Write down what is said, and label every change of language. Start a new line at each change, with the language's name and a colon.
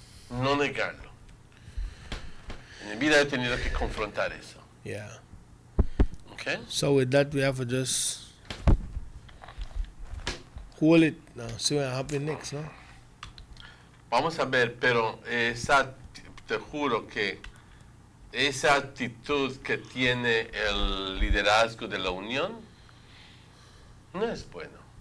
Spanish: No negarlo. En mi vida he tenido que confrontar eso.
English: Yeah. Okay? So with that, we have to just hold it now. See what happens next, no?
Spanish: Vamos a ver, pero esa, te juro que esa actitud que tiene el liderazgo de la Unión no es bueno.